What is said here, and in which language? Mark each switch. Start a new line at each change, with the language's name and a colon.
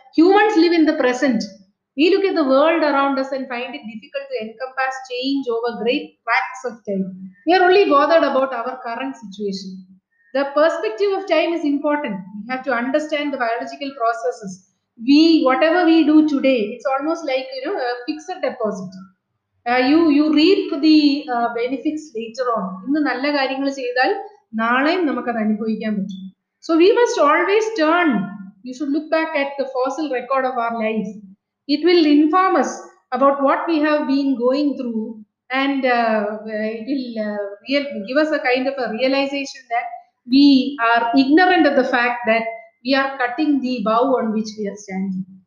English: Humans live in the present. We look at the world around us and find it difficult to encompass change over great tracts of time. We are only bothered about our current situation. The perspective of time is important. We have to understand the biological processes. Whatever we do today, it's almost like a fixed deposit. You reap the benefits later on.
Malayalam: ഇന്നു നല്ല കാര്യങ്ങൾ ചെയ്താൽ നാളെയും നമുക്ക് അത് അനുഭവിക്കാൻ പറ്റും.
English: So we must always turn. You should look back at the fossil record of our life. It will inform us about what we have been going through, and it will give us a kind of a realization that we are ignorant of the fact that we are cutting the bough on which we are standing.